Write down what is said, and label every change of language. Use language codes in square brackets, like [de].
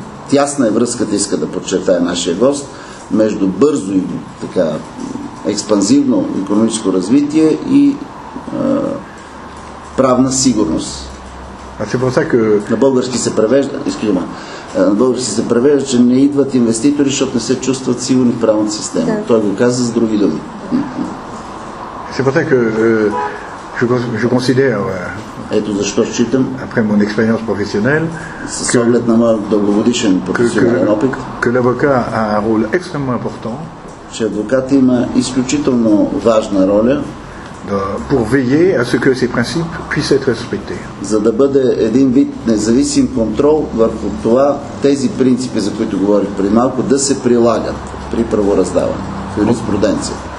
[bg] Тясна е връзката, иска да подчертая нашия гост, между бързо и така експанзивно икономическо развитие и правна сигурност. На български се превежда, че не идват инвеститори, защото не се чувстват сигурни в правната система. Да. Той го каза с други думи. [fr] C'est pour ça que je considère, [bg] ето защо считам, [fr] après mon expérience professionnelle, [bg] с оглед на моя дългогодишен професионален опит, [fr] que l'avocat a un rôle extrêmement important, [bg] че адвокат има изключително важна роля [fr] pour veiller à ce que ces principes puissent être respectés. [bg] За да бъде един вид независим контрол върху това, тези принципи, за които говорих преди малко, да се прилагат при правораздаване, в юриспруденция.